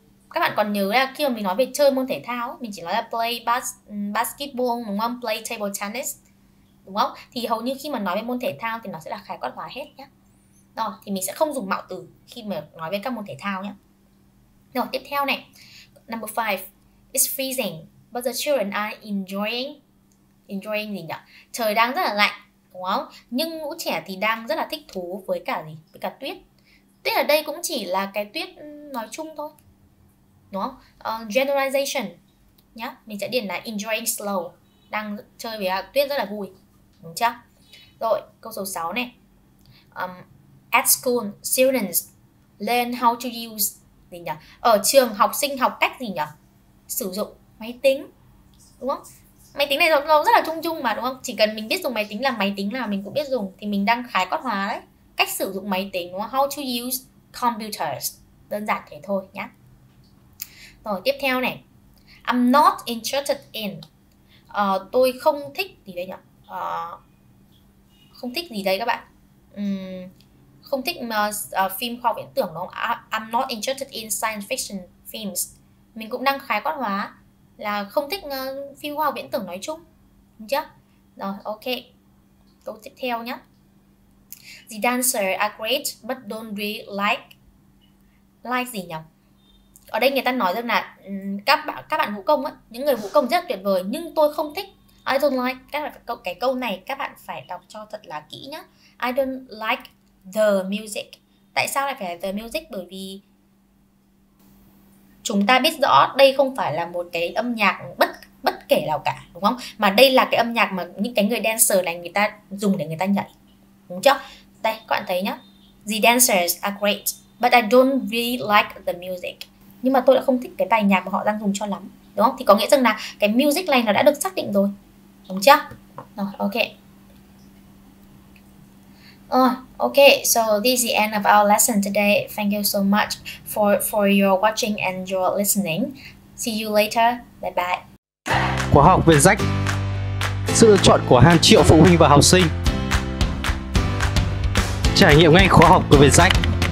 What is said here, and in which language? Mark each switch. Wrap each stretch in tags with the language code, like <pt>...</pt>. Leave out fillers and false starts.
<vi>Các bạn còn nhớ là khi mà mình nói về chơi môn thể thao, mình chỉ nói là</vi> <en>play basketball</en> <vi>đúng không?</vi> <en>Play table tennis</en> <vi>đúng không? Thì hầu như khi mà nói về môn thể thao thì nó sẽ là khái quát hóa hết nhé. Rồi, thì mình sẽ không dùng mạo từ khi mà nói về các môn thể thao nhé. Rồi, tiếp theo này.</vi> <en>Number 5. It's freezing, but the children are enjoying</en> <vi>gì nhỉ? Trời đang rất là lạnh, đúng không? Nhưng lũ trẻ thì đang rất là thích thú với cả gì? Với cả tuyết. Tuyết ở đây cũng chỉ là cái tuyết nói chung thôi, đúng không? Generalization nhá, mình sẽ điền là</vi> <en>enjoying snow,</en> <vi>đang chơi với tuyết rất là vui, đúng chưa? Rồi, câu số 6 này.</vi> <en>At school, students learn how to use</en> <vi>gì nhỉ? Ở trường học sinh học cách gì nhỉ? Sử dụng máy tính, đúng không? Máy tính này nó rất là chung chung mà đúng không? Chỉ cần mình biết dùng máy tính là máy tính nào mình cũng biết dùng, thì mình đang khái quát hóa đấy. Cách sử dụng máy tính đúng không?</vi> <en>How to use computers,</en> <vi>đơn giản thế thôi nhá. Rồi tiếp theo này,</vi> <en>I'm not interested in,</en> <vi>tôi không thích gì đấy nhỉ? Không thích gì đấy các bạn? Không thích phim khoa học viễn tưởng đúng không?</vi> <en>I'm not interested in science fiction films.</en> <vi>Mình cũng đang khái quát hóa là không thích phim khoa học viễn tưởng nói chung, đúng chưa? Rồi, ok. Câu tiếp theo nhé.</vi> <en>The dancers are great, but don't really like. Like</en> <vi>gì nhỉ? Ở đây người ta nói rằng là các bạn vũ công ấy, những người vũ công rất tuyệt vời, nhưng tôi không thích.</vi> <en>I don't like.</en> <vi>Cái câu này các bạn phải đọc cho thật là kỹ nhé.</vi> <en>I don't like the music.</en> <vi>Tại sao lại phải</vi> <en>the music?</en> <vi>Bởi vì chúng ta biết rõ đây không phải là một cái âm nhạc bất bất kể nào cả, đúng không? Mà đây là cái âm nhạc mà những cái người dancer này người ta dùng để người ta nhảy, đúng chưa? Đây, các bạn thấy nhá.</vi> <en>The dancers are great, but I don't really like the music.</en> <vi>Nhưng mà tôi lại không thích cái bài nhạc mà họ đang dùng cho lắm, đúng không? Thì có nghĩa rằng là cái music này nó đã được xác định rồi, đúng chưa? Rồi, ok.</vi> <en>Okay, so this is the end of our lesson today. Thank you so much for your watching and your listening. See you later. Bye bye.</en> <vi>Khóa học viên rách. Sự lựa chọn của hàng triệu phụ huynh và học sinh. Trải nghiệm ngay khóa học của viên rách.</vi>